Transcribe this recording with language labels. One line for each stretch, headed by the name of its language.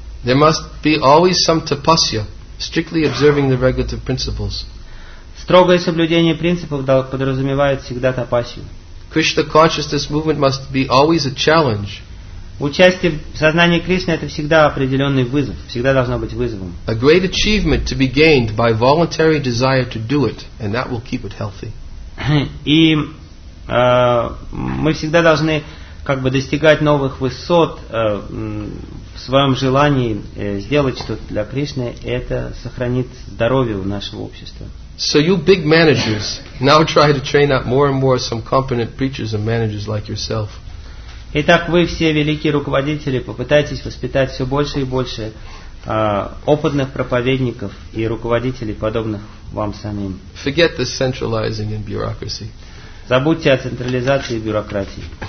English: There must be always some tapasya, strictly observing the regulative principles.
Russian: Строгое соблюдение принципов подразумевает всегда тапасью.
English: Krishna consciousness movement must be always a challenge.
Russian: Участие в сознании Кришны – это всегда определенный вызов, всегда должно быть вызовом.
English: A great achievement to be gained by voluntary desire to do it, and that will keep it healthy.
Russian: И мы всегда должны как бы достигать новых высот в своем желании сделать что-то для Кришны, это сохранит здоровье у нашего общества.
English: So you big managers now try to train up more and more some competent preachers and managers like yourself.
Russian: Итак, вы все великие руководители, попытайтесь воспитать все больше и больше опытных проповедников и руководителей, подобных вам самим.
English: Forget the centralizing and bureaucracy.
Russian: Забудьте о централизации и бюрократии.